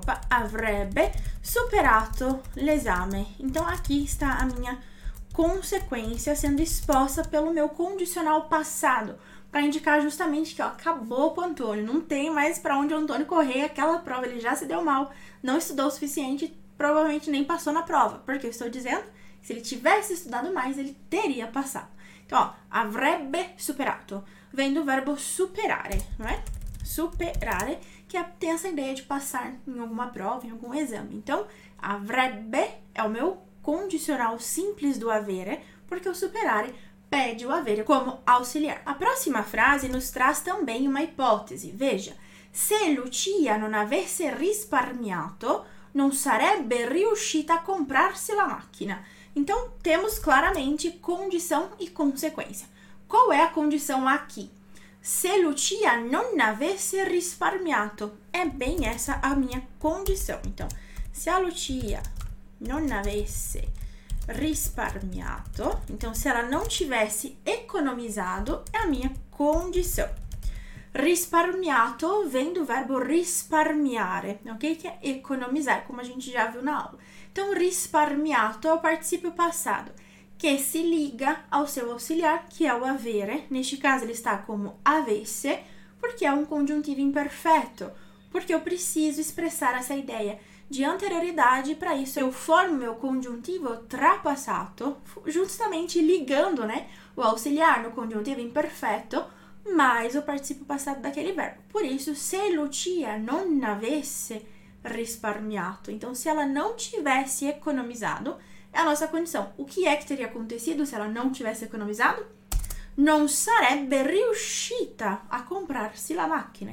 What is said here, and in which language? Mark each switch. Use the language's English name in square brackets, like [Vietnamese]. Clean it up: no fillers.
[Italian] Avrebbe superato l'esame. [Portuguese] Então, aqui está a minha consequência sendo exposta pelo meu condicional passado, para indicar justamente que ó, acabou pro Antônio, não tem mais para onde o Antônio correr aquela prova, ele já se deu mal, não estudou o suficiente, provavelmente nem passou na prova, porque eu estou dizendo que se ele tivesse estudado mais, ele teria passado. Então, ó, [Italian] avrebbe superato, [Portuguese] vem do verbo superare, não é? Superare, que é, tem essa ideia de passar em alguma prova, em algum exame. Então, avrebbe é o meu condicional simples do avere, porque o superare pede o avere como auxiliar. A próxima frase nos traz também uma hipótese. Veja, [Italian] se Lucia non avesse risparmiato, non sarebbe riuscita a comprarsi la macchina. [Portuguese] Então, temos claramente condição e consequência. Qual é a condição aqui? [Italian] Se Lucia non avesse risparmiato. [Portuguese] É bem essa a minha condição. Então, se a Lucia [Italian] non avesse risparmiato, [Portuguese] então se ela não tivesse economizado, é a minha condição. Risparmiato vem do verbo risparmiare, ok? Que é economizar, como a gente já viu na aula. Então, risparmiato é o [Italian] participio passado, [Portuguese] que se liga ao seu auxiliar, que é o avere. Neste caso, ele está como avesse, porque é um conjuntivo imperfeito, porque eu preciso expressar essa ideia de anterioridade. Para isso, eu formo meu conjuntivo trapassato, justamente ligando, né, o auxiliar no conjuntivo imperfeito mais o participio passado daquele verbo. Por isso, [Italian] se Lucia non avesse risparmiato, [Portuguese] então se ela não tivesse economizado, é a nossa condição. O que é que teria acontecido se ela não tivesse economizado? [Italian] Non sarebbe riuscita a comprarsi la macchina.